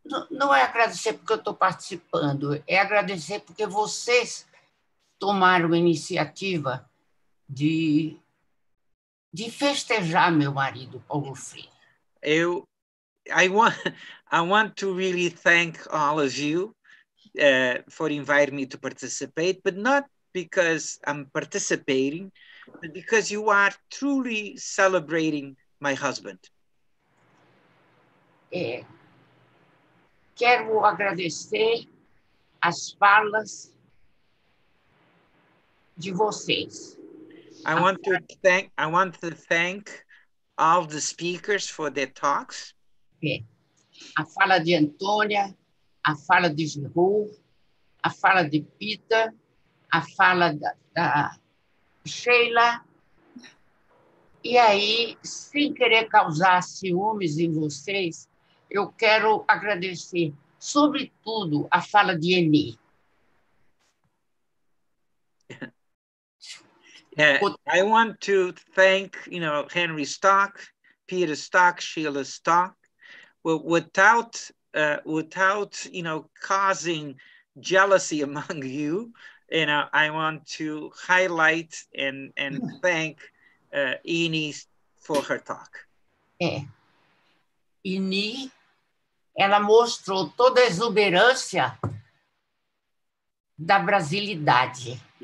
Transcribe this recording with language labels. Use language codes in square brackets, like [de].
[pt] Não é agradecer porque eu estou participando, é agradecer porque vocês tomaram a iniciativa de festejar meu marido, Paulo Freire. [en] I want to really thank all of you for inviting me to participate, but not because I'm participating, but because you are truly celebrating my husband. [pt] Quero agradecer as falas de vocês. [en] I want to thank all the speakers for their talks. [pt] A fala de Antonia, a fala de Giroux, a fala de Peter, a fala da Sheila. E aí, sem querer causar ciúmes em vocês, eu quero agradecer, sobretudo, a fala de Eni. [en] I want to thank, you know, Henry Stock, Peter Stock, Sheila Stock. Without you know, causing jealousy among you, you know, I want to highlight and thank Eni for her talk. [pt] Eni, ela mostrou toda a exuberância da brasilidade.